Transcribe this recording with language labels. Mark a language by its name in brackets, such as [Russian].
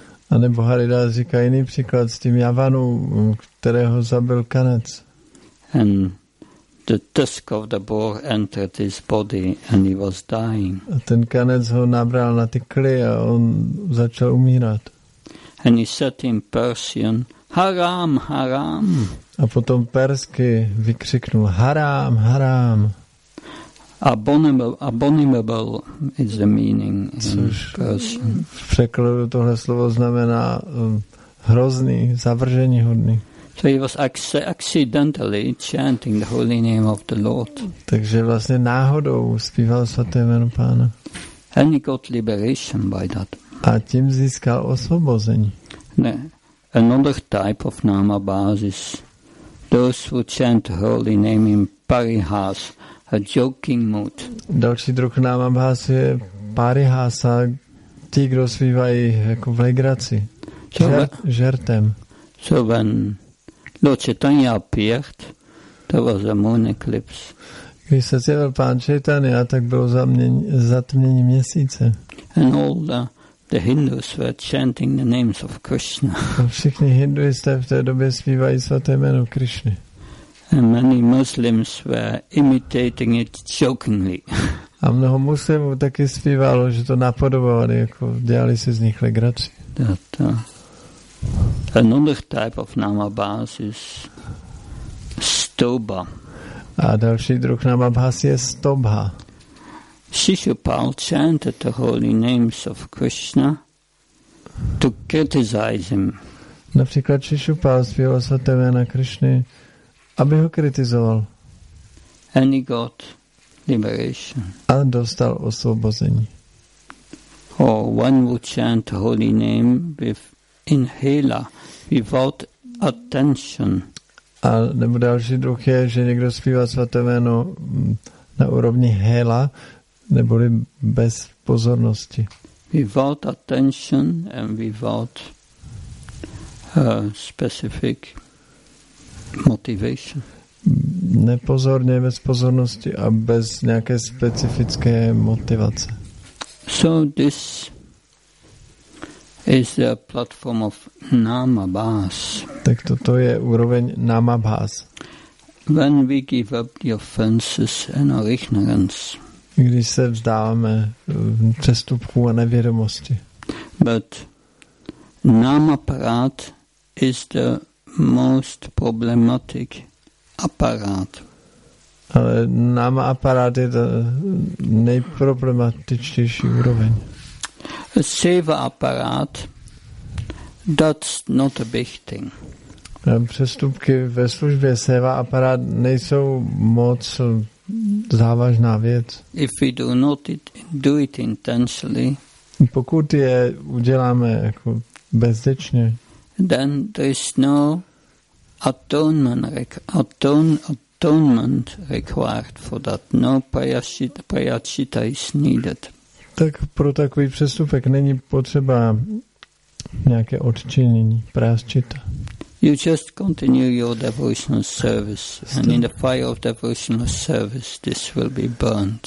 [Czech] A nebo Haridas říká jiný příklad s tím Javanou, kterého zabil kanec. [English] And the tusk of the boar entered his body and he was dying. [Czech] A ten kanec ho nabral na tykli a on začal umírat. [English] And he said in Persian, haram, haram. [Czech] A potom persky vykřiknul, haram, haram. [English] Abominable is the meaning in Persian. [Czech] V překladu tohle slovo znamená hrozný, zavržení hodný. [English] So he was accidentally chanting the holy name of the Lord. [Czech] Takže vlastně náhodou zpíval svaté jméno Pána. [English] And he got liberation by that. [Czech] A tím získal osvobození. Ne. [English] Another type of Namabhas is those who chant the holy name in parihas, a joking mood. [Czech] Další druh Namabhas je parihasa, ti, kdo zpívají jako v legraci, žertem. [English] So when Lord Chaitanya appeared, there was a moon eclipse. [Czech] Když se zjevil Pán Chaitanya, tak bylo zatmění měsíce. [English] And all the Hindus were chanting the names of Krishna. [Czech] Všichni hinduisté v té době zpívají svaté jméno Krishny. [English] And many Muslims were imitating it jokingly. [Czech] A mnoho muslimů taky zpívalo, že to napodobovali, jako dělali si z nich legraci. [English] Another type of Namabhas is Stoba. [Czech] A další druh Namabhas je Stobha. [English] Shishupal chanted the holy names of Krishna to criticize him. [Czech] Například Shishupal zpíval svaté jména Krishny, aby ho kritizoval. [English] And he got liberation. [Czech] A dostal osvobození. [English] Or one would chant the holy name with inhaler without attention. [Czech] A nebo další druh je, že někdo zpívá svaté jméno na úrovni hela, neboli bez pozornosti. [English] Without attention and without specific motivation. [Czech] Nepozorně, bez pozornosti a bez nějaké specifické motivace. [English] So this is the platform of Namabhas. [Czech] Tak toto je úroveň Namabhas. [English] When we give up the offenses and our ignorance. [Czech] Když se vzdáváme přestupků a nevědomosti. [English] But Namaprat is the most problematic aparát. [Czech] Ale náma aparát je ta nejproblematičtější úroveň. [English] Seva aparát, that's not a big thing. [Czech] Přestupky ve službě seva aparát nejsou moc závažná věc. [English] If we do not do it intentionally, [Czech] pokud je uděláme jako bezdečně, [English] then there is no atonement required for that. No prayachita is needed. [Czech] Tak pro takový přestupek není potřeba nějaké odčinění, prayachita. [English] You just continue your devotional service and in the fire of devotional service this will be burnt.